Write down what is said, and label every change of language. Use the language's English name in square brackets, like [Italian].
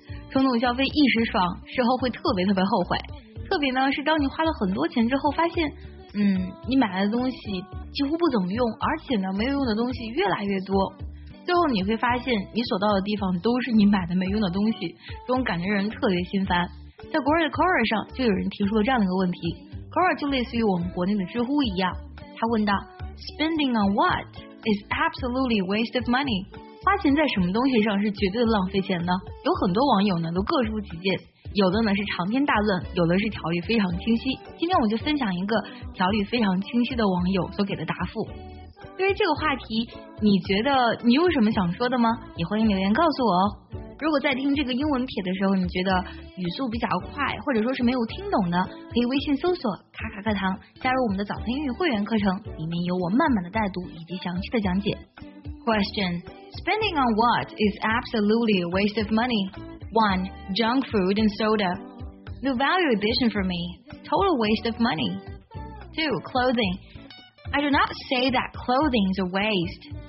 [Chinese] 冲动消费一时爽，事后会特别特别后悔。特别呢，是当你花了很多钱之后，发现，你买来的东西几乎不怎么用，而且呢，没有用的东西越来越多。最后你会发现，你所到的地方都是你买的没用的东西，这种感觉人特别心烦。在国外的 Quora 上，就有人提出了这样的一个问题 ，Quora 就类似于我们国内的知乎一样，他问道 ： [English] Spending on what？ Is absolutely waste of money. [Chinese] 花钱在什么东西上是绝对浪费钱呢？有很多网友呢都各抒己见，有的呢是长篇大论，有的是条理非常清晰。今天我就分享一个条理非常清晰的网友所给的答复。对于这个话题，你觉得你有什么想说的吗？也欢迎留言告诉我哦。如果在听这个英文帖的时候，你觉得语速比较快，或者说是没有听懂呢，可以微信搜索卡卡课堂，加入我们的早听英语会员课程，里面有我慢慢的带读以及详细的讲解。 [English] Question: Spending on what is absolutely a waste of money? 1. Junk food and soda. No value addition for me. Total waste of money. 2. Clothing. I do not say that clothing is a waste.